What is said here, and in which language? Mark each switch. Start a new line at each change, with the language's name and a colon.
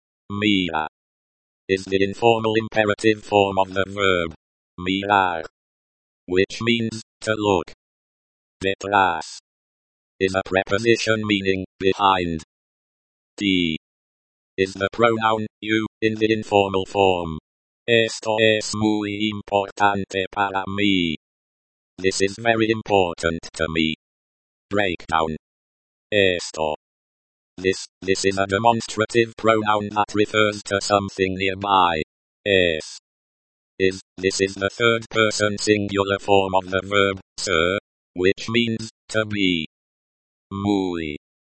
English: Mira is the informal imperative form of the verb mirar, which means to look. Detrás is a preposition meaning behind. T is the pronoun you in the informal form.
Spanish: Esto es muy importante para mí.
English: This is very important to me. Breakdown. Esto. This is a demonstrative pronoun that refers to something nearby. Es. Is, this is the third person singular form of the verb, ser, which means, to be. Muy.